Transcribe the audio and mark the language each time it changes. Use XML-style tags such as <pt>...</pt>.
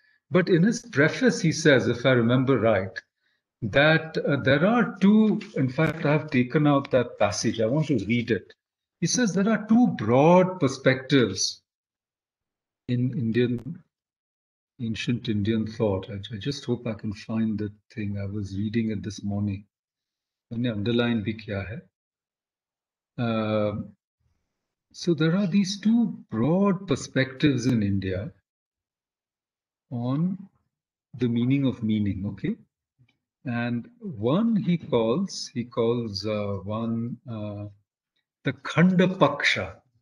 <en>But in his preface, he says, if I remember right, that there are two, in fact, I have taken out that passage. I want to read it. He says there are two broad perspectives in Indian ancient Indian thought. I just hope I can find the thing. I was reading it this morning.</en> <hi>मैंने underline भी किया है.</hi> <en>So there are these two broad perspectives in India on the meaning of meaning, okay? And one he calls one the Khandapaksha.</en>